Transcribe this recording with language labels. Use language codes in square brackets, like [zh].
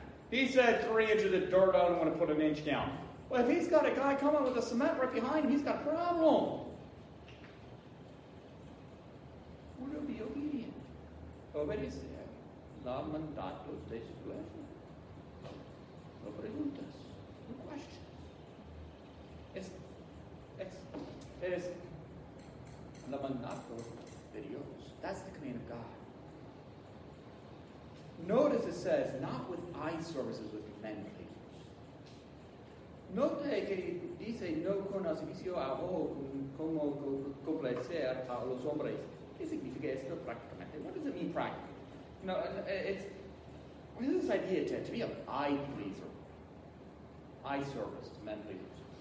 [en] he said 3 inches of dirt, I don't want to put an inch down. Well, if he's got a guy coming with a cement right behind him, he's got a problem. We're to be obedient. [es] Obedecer la mandatos de su jefe. No preguntas. [en] No questions. [es] Es la mandato de Dios. [en] That's the command of God. Notice it says, not with eye services, with men. [es] Note que dice no con el servicio a ojo como complacer a los hombres. ¿Qué significa esto prácticamente? [en] What does it mean practically? No, it's this idea to be an eye pleaser, eye service to men pleasers.